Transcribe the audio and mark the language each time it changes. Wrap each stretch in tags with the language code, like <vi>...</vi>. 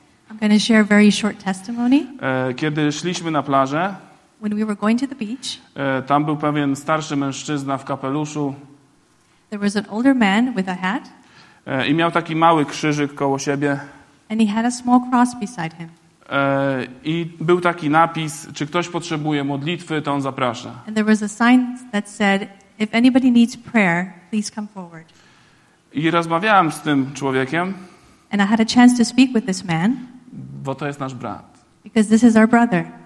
<en>I'm going to share a very short testimony.</en> <pl>Kiedy szliśmy na plażę,</pl> <en>when we were going to the beach,</en> <pl>tam był pewien starszy mężczyzna w kapeluszu.</pl> <en>There was an older man with a hat.</en> <pl>I miał taki mały krzyżyk koło siebie.</pl> <en>And he had a small cross beside him.</en> <pl>I był taki napis, czy ktoś potrzebuje modlitwy, to on zaprasza.</pl> <en>And there was a sign that said, if anybody needs prayer, please come forward.</en> <pl>I rozmawiałem z tym człowiekiem.</pl> <en>And I had a chance to speak with this man.</en> <pl>Bo to jest nasz brat.</pl> <en>Because this is our brother.</en>